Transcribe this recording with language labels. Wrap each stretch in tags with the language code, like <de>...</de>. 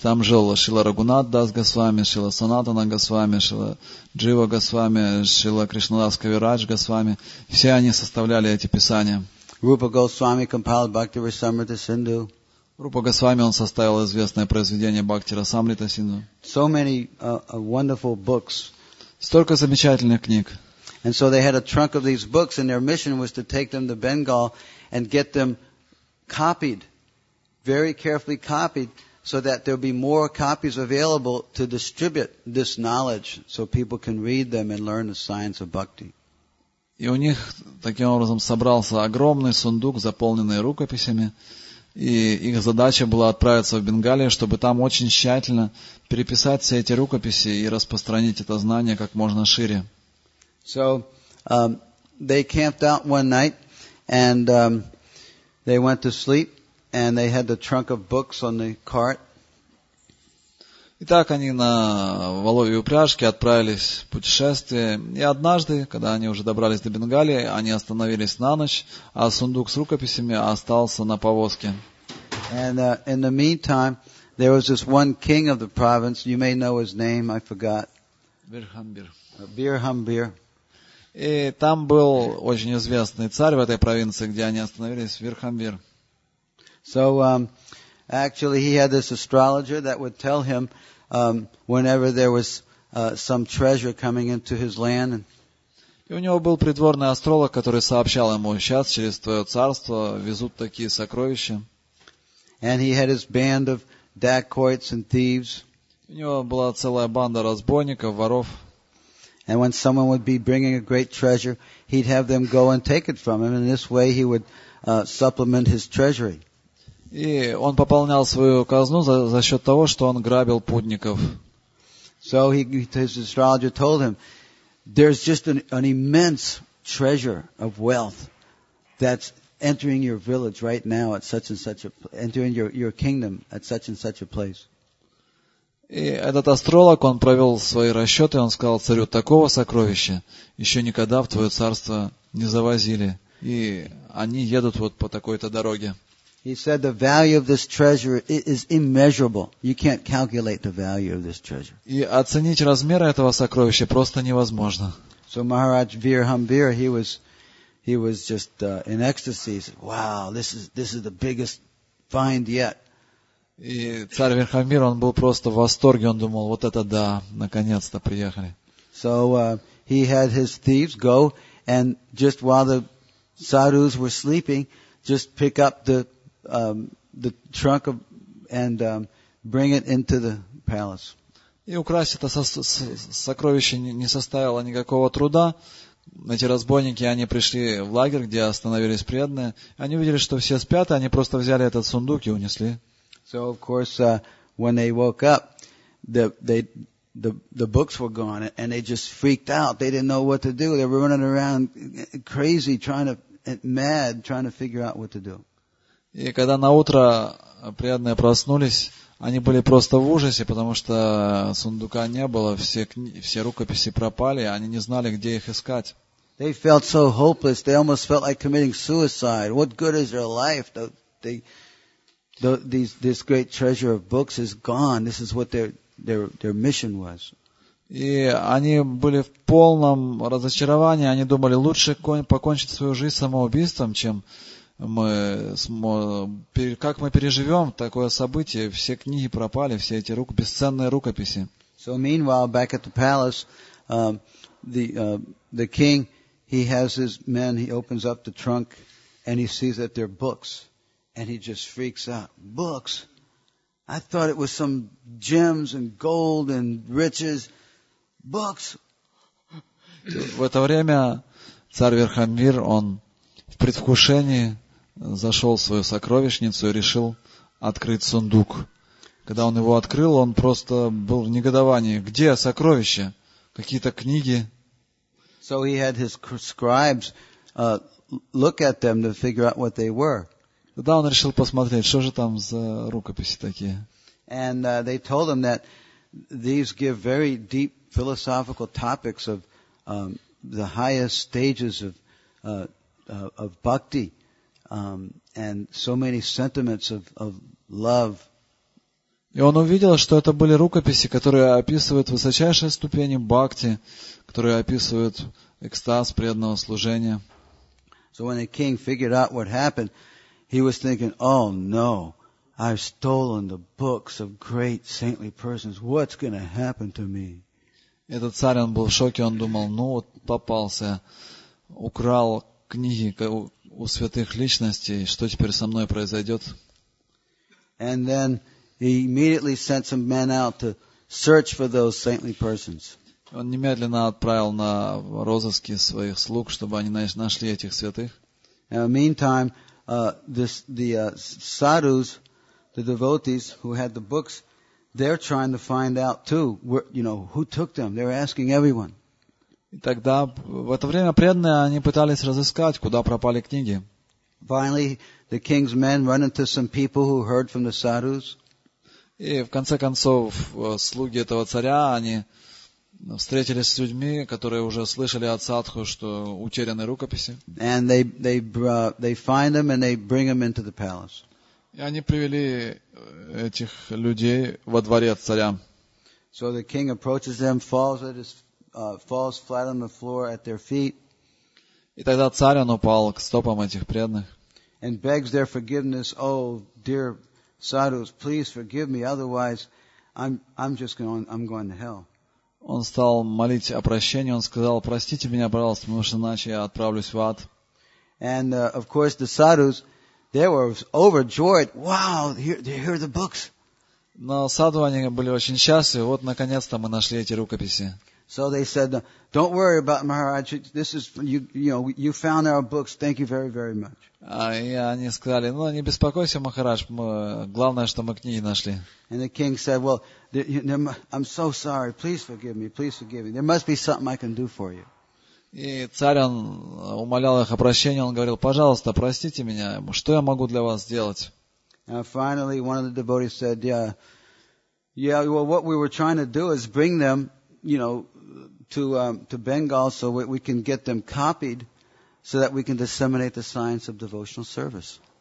<ru>Там жил Шрила Рагунат Дас Госвами, Шрила Санатана Госвами, Шрила Джива Госвами, Шрила Кришнадас Кавирадж Госвами. Все они составляли эти писания.</ru> <en>Rupa Goswami compiled Bhakti Rasamrita Sindhu.</en> <ru>Rupa Goswami, он составил известное произведение Бхакти Расамрита Синду.</ru> <en>So many wonderful books.</en> <ru>Столько замечательных книг.</ru> <en>And so they had a trunk of these books, and their mission was to take them to Bengal and get them copied. Very carefully copied so that there'll be more copies available to distribute this knowledge so people can read them and learn the science of bhakti.</en> <ru>И у них таким образом собрался огромный сундук, заполненный рукописями, и их задача была отправиться в Бенгалию, чтобы там очень тщательно переписать все эти рукописи и распространить это знание как можно шире.</ru> <en>So they camped out one night and they went to sleep. And they had the trunk of books on the cart.</en> <ru>Итак, они на воловьей упряжке отправились в путешествие. И однажды, когда они уже добрались до Бенгалии, они остановились на ночь, а сундук с рукописями остался на повозке.</ru> <en>And in the meantime, there was this one king of the province. You may know his name, I forgot.</en> <ru>Бирхамбир. Бирхамбир. И там был очень известный царь в этой провинции, где они остановились, Бирхамбир.</ru> <en>So actually he had this astrologer that would tell him whenever there was some treasure coming into his land.</en> <ru>И у него был придворный астролог, который сообщал ему: сейчас через твое царство везут такие сокровища.</ru> <en>And he had his band of dacoits and thieves.</en> <ru>У него была целая банда разбойников, воров.</ru> <en>And when someone would be bringing a great treasure, he'd have them go and take it from him, and in this way he would supplement his treasury.</en> <ru>И он пополнял свою казну за счет того, что он грабил путников.</ru> <en>So his astrologer told him, there's just an immense treasure of wealth that's entering your village right now at such and such a entering your kingdom at such and such a place.</en> <ru>И этот астролог, он провел свои расчеты, он сказал царю: такого сокровища еще никогда в твое царство не завозили, и они едут вот по такой-то дороге.</ru> <en>He said the value of this treasure is immeasurable. You can't calculate the value of this treasure.</en> <ru>И оценить размеры этого сокровища просто невозможно.</ru> <en>So Maharaj Bhirhambir, he was just in ecstasy. He said, wow, this is the biggest find yet.</en> <ru>И царь Бирхамбир, он был просто в восторге. Он думал: вот это да, наконец-то приехали.</ru> <en>So he had his thieves go and just while the sadhus were sleeping, just pick up the trunk and bring it into the palace.</en> <ru>И украсть это сокровище не составило никакого труда. Эти разбойники, они пришли в лагерь, где остановились преданные. Они увидели, что все спят, и они просто взяли этот сундук и унесли.</ru> <en>So of course, when they woke up, the books were gone, and they just freaked out. They didn't know what to do. They were running around crazy, trying to figure out what to do.</en> <ru>И когда наутро преданные проснулись, они были просто в ужасе, потому что сундука не было, все рукописи пропали, они не знали, где их искать.</ru> <en>They felt so hopeless, they almost felt like committing suicide. What good is their life? This great treasure of books is gone. This is what their mission was.</en> <ru>И они были в полном разочаровании, они думали, лучше покончить свою жизнь самоубийством, чем... как мы переживем такое событие? Все книги пропали, все эти бесценные рукописи.</ru> <en>So meanwhile, back at the palace, the king, he has his men, he opens up the trunk, and he sees that they're books. And he just freaks out. Books? I thought it was some gems and gold and riches. Books?</en> <ru>В это время царь Верхамир, он в предвкушении зашел в свою сокровищницу и решил открыть сундук. Когда он его открыл, он просто был в негодовании. Где сокровища? Какие-то книги?</ru> <en>So he had his scribes look at them to figure out what they were.</en> <ru>Тогда он решил посмотреть, что же там за рукописи такие.</ru> <en>And they told him that these give very deep philosophical topics of the highest stages of bhakti and so many sentiments of love.</en> <ru>И он увидел, что это были рукописи, которые описывают высочайшие ступени бхакти, которые описывают экстаз преданного служения.</ru> <en>So when the king figured out what happened, he was thinking, "Oh no, I've stolen the books of great saintly persons. What's going to happen to me?"</en> <ru>Этот царь, он был в шоке, он думал, ну вот попался, украл книги у святых личностей, что теперь со мной произойдет?</ru> <en>And then he immediately sent some men out to search for those saintly persons.</en> <ru>Он немедленно отправил на розыски своих слуг, чтобы они нашли этих святых.</ru> <en>In the meantime, sadhus, the devotees who had the books, they're trying to find out too, you know, who took them. They're asking everyone.</en> <ru>И тогда в это время преданные они пытались разыскать, куда пропали книги.</ru> <en>Finally, the king's men run into some people who heard from the sadhus.</en> <ru>И в конце концов, слуги этого царя, они встретились с людьми, которые уже слышали от садху, что утеряны рукописи.</ru> <en>And they find them and they bring them into the palace.</en> <ru>И они привели этих людей во дворец царя.</ru> <en>So the king approaches them, falls flat on the floor at their feet.</en> <ru>И тогда царь, он упал к стопам этих преданных.</ru> <en>And begs their forgiveness, oh, dear sadhus, please forgive me, otherwise I'm going to hell.</en> <ru>Он стал молить о прощении, он сказал, простите меня, пожалуйста, потому что иначе я отправлюсь в ад.</ru> <en>And of course the sadhus, they were overjoyed. Wow, here are the books.</en> <ru>Но садху, они были очень счастливы, вот наконец-то мы нашли эти рукописи.</ru> <en>So they said, don't worry about Maharaj, this is you found our books, thank you very, very much.</en> <ru>И они сказали, ну не беспокойся, Махарадж, главное, что мы книги нашли.</ru> <en>And the king said, well, I'm so sorry, please forgive me, there must be something I can do for you.</en> <ru>И царь, он умолял их о прощении, он говорил, пожалуйста, простите меня, что я могу для вас сделать?</ru> <en>And finally, one of the devotees said, well, what we were trying to do is bring them, to Bengal so we can get them copied so that we can disseminate the science of devotional service.</en>